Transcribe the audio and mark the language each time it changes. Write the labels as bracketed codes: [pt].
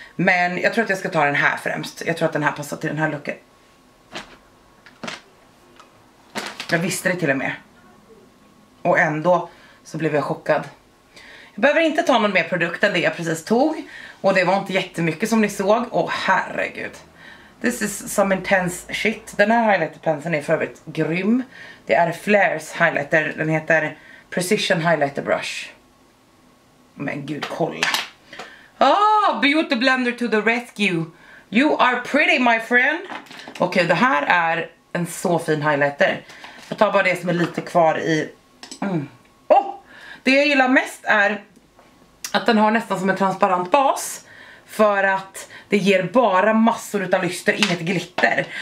[sv] Men jag tror att jag ska ta den här främst. Jag tror att den här passar till den här looken. Jag visste det till och med. Och ändå så blev jag chockad. Jag behöver inte ta någon mer produkt än det jag precis tog. Och det var inte jättemycket som ni såg. Åh, herregud. [en] This is some intense shit. [sv] Den här highlighterpenseln är för övrigt grym. Det är Flares highlighter. Den heter Precision Highlighter Brush. Men gud, kolla. [en] Oh, beauty blender to the rescue. You are pretty, my friend. [sv] Okej, det här är en så fin highlighter. Jag tar bara det som är lite kvar i... Oh, det jag gillar mest är att den har nästan som en transparent bas. För att det ger bara massor utav lyster, inget glitter.